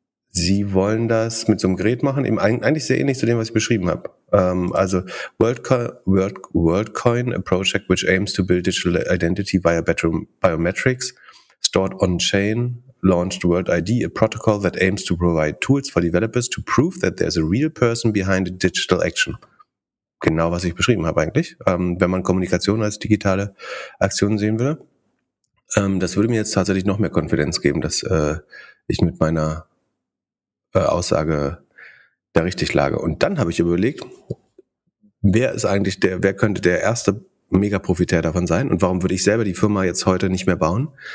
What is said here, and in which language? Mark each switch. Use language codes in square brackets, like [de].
[de] Sie wollen das mit so einem Gerät machen, eben eigentlich sehr ähnlich zu dem, was ich beschrieben habe. [en] Also WorldKind, a project which aims to build digital identity via better biometrics, stored on-chain, launched World ID, a protocol that aims to provide tools for developers to prove that there's a real person behind a digital action. [de] Genau, was ich beschrieben habe eigentlich. Wenn man Kommunikation als digitale Aktion sehen würde, das würde mir jetzt tatsächlich noch mehr Konfidenz geben, dass ich mit meiner Aussage da richtig lage. Und dann habe ich überlegt, wer könnte der erste Mega-Profitär davon sein und warum würde ich selber die Firma jetzt heute nicht mehr bauen?